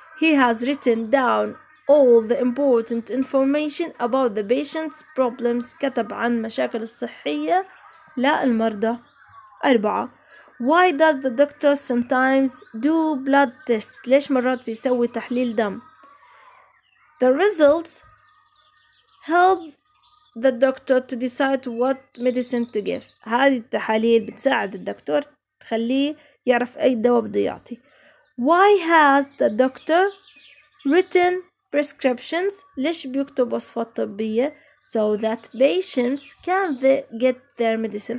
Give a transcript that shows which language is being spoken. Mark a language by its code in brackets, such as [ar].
[en] He has written down all the important information about the patient's problems. [ar] كتب عن مشاكل الصحية للمرضى. 4. [en] Why does the doctor sometimes do blood tests? [ar] ليش مرات بيسوي تحليل دم? [en] The results help the doctor to decide what medicine to give. [ar] هذه التحاليل بتساعد الدكتور تخليه يعرف أي دواء بده يعطي. [en] Why has the doctor written prescriptions? [ar] ليش بيكتب وصفات طبية? [en] So that patients can get their medicine.